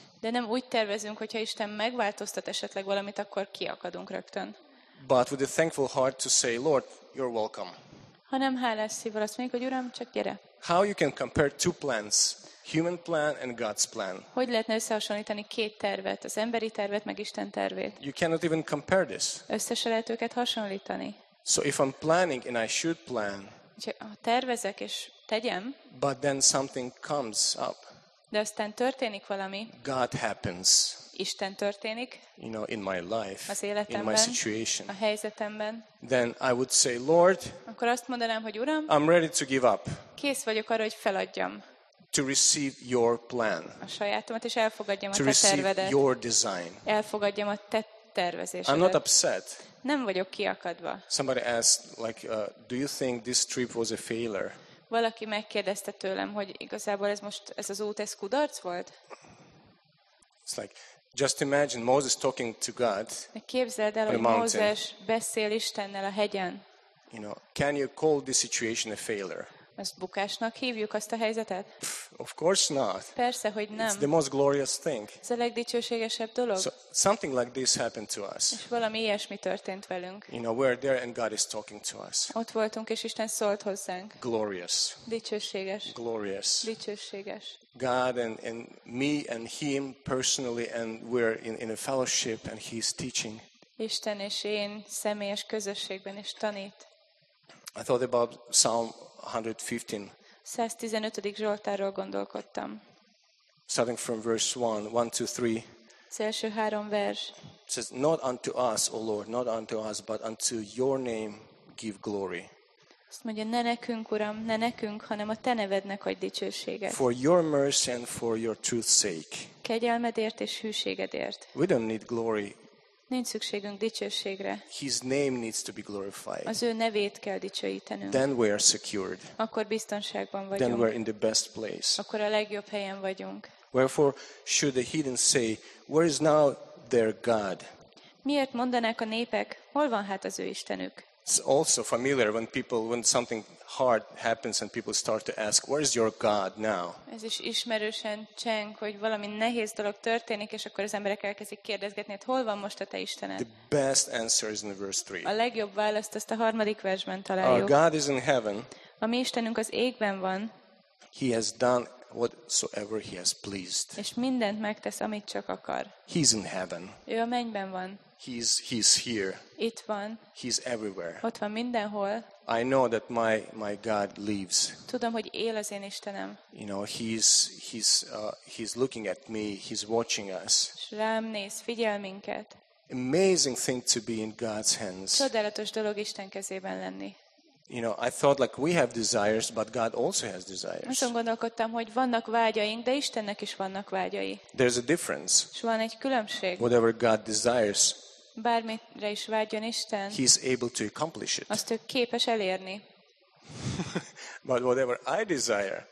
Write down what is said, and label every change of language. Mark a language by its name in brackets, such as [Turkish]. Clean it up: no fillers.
[Hungarian] De nem úgy tervezünk, hogyha Isten megváltoztat esetleg valamit, akkor kiakadunk rögtön. [English] But with a thankful heart to say, Lord, you're welcome. [Hungarian] Hanem hálás szívvel azt mondjuk, hogy Uram, csak gyere. [English] How you can compare two plans, human plan and God's plan? [Hungarian] Hogy lehetne összehasonlítani két tervet, az emberi tervet meg Isten tervét? [English] You cannot even compare this. [Hungarian] Össze se lehet őket hasonlítani. [English] So if I'm planning and I should plan. [Hungarian] Ha tervezek és tegyem. [English] But then something comes up. [Hungarian] De aztán történik valami. [English] God happens. [Hungarian] Isten történik. [English] You know, in my life. [Hungarian] Az életemben. [English] In my situation. [Hungarian] A helyzetemben. [English] Then I would say, Lord. [Hungarian] Akkor azt mondanám, hogy Uram. [English] I'm ready to give up. [Hungarian] Kész vagyok arra, hogy feladjam. [English] To receive your plan. [Hungarian] A sajátomat és elfogadjam a te tervedet. [English] To receive your design. [Hungarian] Elfogadjam a te tervezésedet. [English] I'm not upset. [Hungarian] Nem vagyok kiakadva. [English] Somebody asked, like, do you think this trip was a failure? [Hungarian] Valaki megkérdezte tőlem, hogy igazából ez most ez az út ez kudarc volt? [English] It's like, just imagine Moses talking to God. [Hungarian] Képzeld el, hogy Mózes beszél Istennel a hegyen. [English] You know, can you call this situation a failure? [Hungarian] Ezt bukásnak hívjuk azt a helyzetet? [English] Of course not. [Hungarian] Persze, hogy nem. [English] It's the most glorious thing. [Hungarian] Ez a legdicsőségesebb dolog. [English] So, something like this happened to us. [Hungarian] És valami ilyesmi történt velünk. [English] You know, we're there and God is talking to us. [Hungarian] Ott voltunk és Isten szólt hozzánk. [English] Glorious. [Hungarian] Dicsőséges. [English] Glorious. [Hungarian] Dicsőséges. [English] God and me and him personally and we're in a fellowship and he's teaching. [Hungarian] Isten és én személyes közösségben is tanít. [English] I thought about Psalm 115. [Hungarian] 115. Zsoltárról gondolkodtam. [English] Starting from verse 1, 1-3. [Hungarian] Első három vers. [English] It says, not unto us, O Lord, not unto us, but unto your name give glory. [Hungarian] Azt mondja, ne nekünk, Uram, ne nekünk, hanem a te nevednek adj dicsőséget. [English] For your mercy and for your truth's sake. [Hungarian] Kegyelmedért és hűségedért. [English] We don't need glory. [Hungarian] Nincs szükségünk dicsőségre. [English] His name needs to be glorified. [Hungarian] Az ő nevét kell dicsőítenünk. [English] Then we are secured. [Hungarian] Akkor biztonságban vagyunk. [English] Then we are in the best place. [Hungarian] Akkor a legjobb helyen vagyunk. [English] Wherefore should the heathen say, where is now their God? [Hungarian] Miért mondanák a népek, hol van hát az ő Istenük? [English] It's also familiar when people, when something hard happens and people start to ask, where is your God now? [Hungarian] Ez is ismerősen cseng, hogy valami nehéz dolog történik, és akkor az emberek elkezdik kérdezgetni, hát hol van most a te Istened? [English] The best answer is in verse 3. [Hungarian] A legjobb választ ezt a harmadik versben találjuk. [English] Our God is in heaven. [Hungarian] A mi Istenünk az égben van. [English] He has done whatsoever he has pleased. [Hungarian] És mindent megtesz, amit csak akar. [English] He's in heaven. [Hungarian] Ő a mennyben van. [English] He's here. [Hungarian] Itt van. [English] He's everywhere. [Hungarian] Ott van mindenhol. [English] I know that my God lives. [Hungarian] Tudom, hogy él az én Istenem. [English] You know, he's looking at me. He's watching us. [Hungarian] S rám néz, figyel minket. [English] Amazing thing to be in God's hands. [Hungarian] Csodálatos dolog Isten kezében lenni. [English] You know, I thought like we have desires, but God also has desires. [Hungarian] Azon gondolkodtam, hogy vannak vágyaink, de Istennek is vannak vágyai. [English] There's a difference. [Hungarian] S van egy különbség. [English] Whatever God desires, [Hungarian] bármire is vágyjon Isten, [English] He's able to accomplish it. [Hungarian] Azt ő képes elérni. [English] But whatever I desire,